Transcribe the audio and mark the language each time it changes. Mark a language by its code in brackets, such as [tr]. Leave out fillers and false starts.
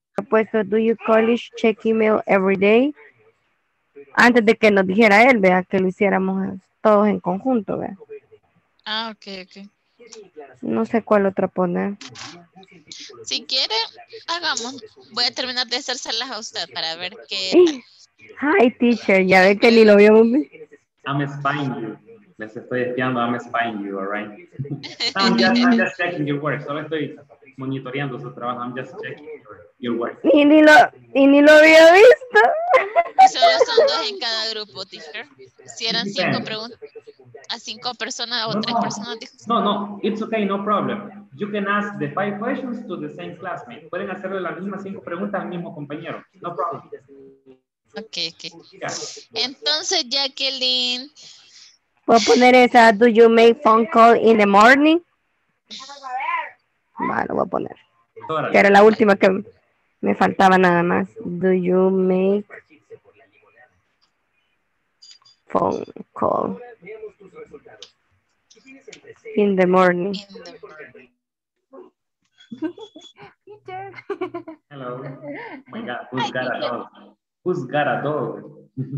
[en] Pues, do you college check email every day? [es] Antes de que nos dijera él, vea, que lo hiciéramos todos en conjunto, vea. Ah, ok. No sé cuál otra poner. Si quiere, hagamos. Voy a terminar de hacérselas a usted para ver qué. Hi, teacher, ya ve que ni lo vio. [en] I'm spying you. [es] Les estoy espiando, [en] I'm spying you, all right? I'm just checking your work. [es] Solo estoy monitoreando su trabajo. [en] I'm just checking your work. [es] Y ni lo había visto. Solo son dos en cada grupo, teacher. Si eran cinco preguntas. A cinco personas o tres personas. [en] No, it's okay, no problem. You can ask the five questions to the same classmate. [es] Pueden hacerle las mismas cinco preguntas al mismo compañero. [en] No problem. [es] Ok. Entonces, Jacqueline... Voy a poner esa, [en] do you make phone call in the morning? [es] Bueno, voy a poner. Que era la última que me faltaba nada más. [en] Do you make phone call in the morning? Hello. Oh my God, who's got a dog?